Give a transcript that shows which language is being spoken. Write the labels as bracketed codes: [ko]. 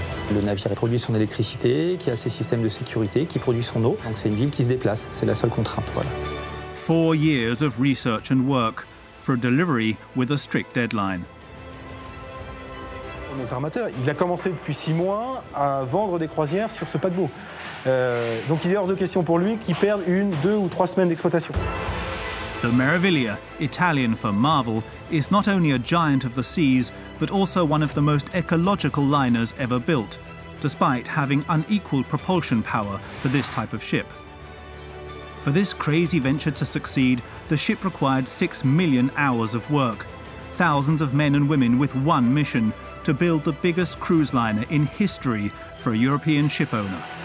[fr] Le navire produit son électricité, qui a ses systèmes de sécurité, qui produit son eau. Donc c'est une ville qui se déplace, c'est la seule contrainte, voilà. [en] 4 years of research and work for a delivery with a strict deadline. [fr] Nos armateurs, il a commencé depuis 6 mois à vendre des croisières sur ce paquebot. Donc il est hors de question pour lui qu'il perde 1, 2 ou 3 semaines d'exploitation. [en] The Meraviglia, Italian for marvel, is not only a giant of the seas, but also one of the most ecological liners ever built, despite having unequaled propulsion power for this type of ship. For this crazy venture to succeed, the ship required 6 million hours of work, thousands of men and women with one mission, to build the biggest cruise liner in history for a European ship owner.